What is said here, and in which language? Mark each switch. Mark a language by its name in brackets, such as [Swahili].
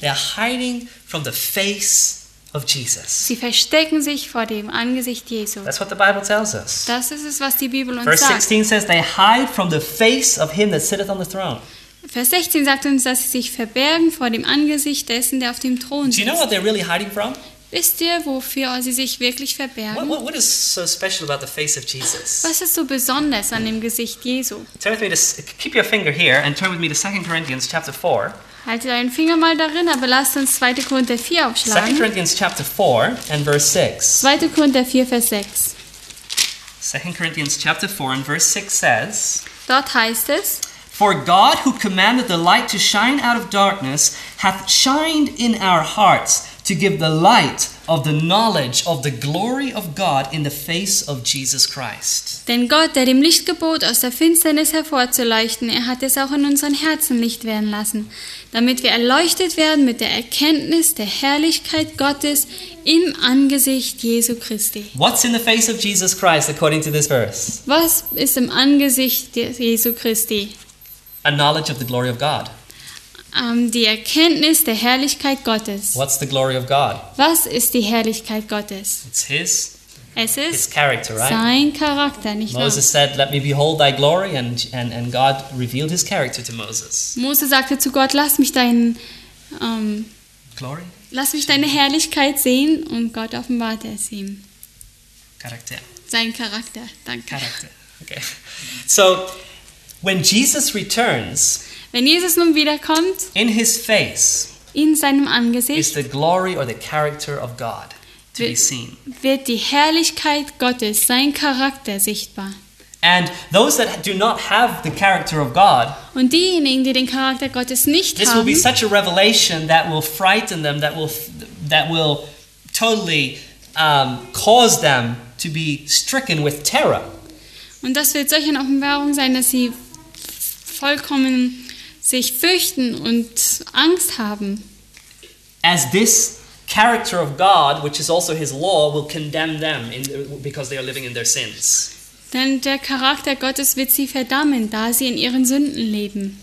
[English] They're hiding from the face of Jesus. [German] Sie verstecken sich vor dem Angesicht Jesu. [English] That's what the Bible tells us. [German] Das ist es, was die Bibel uns [English] Verse 16 [German] sagt. [English] Verse 16 says they hide from the face of him that sitteth on the throne. [German] Vers 16 sagt uns, dass sie sich verbergen vor dem Angesicht dessen, der auf dem Thron sitzt. [English] Do you know what they're really hiding from? [German] Wisst ihr, wofür sie sich wirklich verbergen? [English] What is so special about the face of Jesus? [German] Was ist so besonders an dem Gesicht Jesu? [English] Turn with me to, keep your finger here and turn with me to 2 Corinthians chapter 4. [German] Haltet deinen Finger mal darin, aber lasst uns 2. Korinther 4 aufschlagen. [English] 2 Corinthians chapter 4 and verse 6. [German] 2. Korinther 4, Vers 6. [English] 2 Corinthians chapter 4 and verse 6 says, [German] dort heißt es, [English] for God, who commanded the light to shine out of darkness, hath shined in our hearts to give the light of the knowledge of the glory of God in the face of Jesus Christ. [German] Denn Gott, der dem Licht gebot, aus der Finsternis hervorzuleuchten, er hat es auch in unseren Herzen Licht werden lassen, damit wir erleuchtet werden mit der Erkenntnis der Herrlichkeit Gottes im Angesicht Jesu Christi. [English] What's in the face of Jesus Christ, according to this verse? [German] Was ist im Angesicht Jesu Christi? [English] A knowledge of the glory of God. [German] Die Erkenntnis der Herrlichkeit Gottes. [English] What's the glory of God? [German] Was ist die Herrlichkeit Gottes? [English] It's his. [German] Es ist [English] his character, right? [German] Sein Charakter, nicht wahr? [English] Moses said, "Let me behold thy glory," and God revealed his character to Moses. [German] Mose sagte zu Gott, lass mich deinen [English] glory? [German] Lass mich deine Herrlichkeit sehen, und Gott offenbarte es ihm. Charakter. Sein Charakter. Danke. [English] Charakter. Okay. So when Jesus returns, [German] wenn Jesus nun wiederkommt, [English] in his face, [German] in seinem Angesicht, [English] is the glory or the character of God to be seen. [German] Wird die Herrlichkeit Gottes, sein Charakter, sichtbar. [English] And those that do not have the character of God, [German] und diejenigen, die den Charakter Gottes nicht [English] this [German] haben, [English] will be such a revelation that will frighten them, that will totally cause them to be stricken with terror. [German] Und das wird solch eine Offenbarung sein, dass sie vollkommen sich fürchten und Angst haben. [English] As this character of God, which is also his law, will condemn them because they are living in their sins. [German] Denn der Charakter Gottes wird sie verdammen, da sie in ihren Sünden leben.